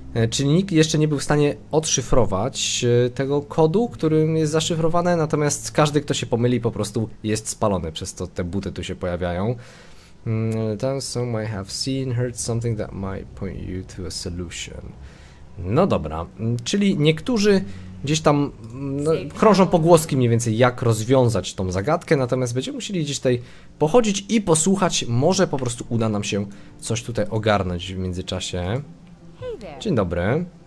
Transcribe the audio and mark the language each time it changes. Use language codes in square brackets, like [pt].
[pl] Czyli nikt jeszcze nie był w stanie odszyfrować tego kodu, którym jest zaszyfrowane. Natomiast każdy, kto się pomyli, po prostu jest spalony, przez to te buty tu się pojawiają. [en] Then some may have seen, heard something that might point you to a solution. [pl] No dobra, czyli niektórzy gdzieś tam krążą pogłoski mniej więcej, jak rozwiązać tą zagadkę, natomiast będziemy musieli gdzieś tutaj pochodzić i posłuchać, może po prostu uda nam się coś tutaj ogarnąć w międzyczasie. Dzień dobry.